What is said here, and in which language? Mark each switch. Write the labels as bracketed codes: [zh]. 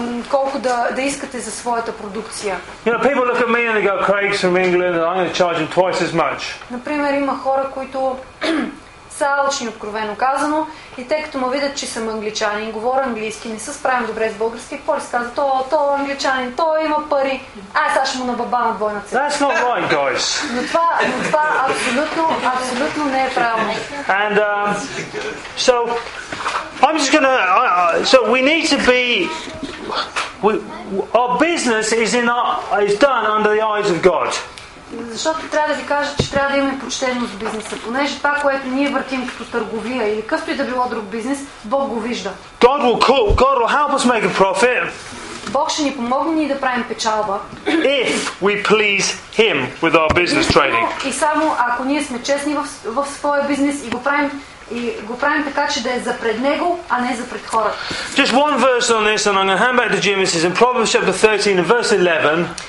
[bg] Колко да искате за своята продукция. [en] You know, people look at me and they go, "Craig's from England, and I'm going to charge him twice as much." [bg] Например, има хора, които са алчни, откровено казано, и те като ме видят, че съм англичанин, говоря английски, не се справям добре с български, какво ли си казват? То е англичанин, то има пари, ай сега ще му набабам двойна цена. [en] That's not right, guys. [bg] Но това абсолютно не е правилно. [en] And so I'm just gonna. So we need to be. Our business is done under the eyes of God. [bg] Защото трябва да ви кажа, че трябва да имаме почтеност в бизнеса, понеже това, което ние въртим като търговия или какъвто и да било друг бизнес, Бог го вижда. [en] God will help us make a profit. [bg] Бог ще ни помогне ние да правим печалба. [en] If we please Him with our business trading. [bg] И само ако ние сме честни в своя бизнес и го правим така, че да е за пред Него, а не за пред хората. [en] Just one verse on this, and I'm going to hand back to Jim. This is in Proverbs chapter 13, verse 11.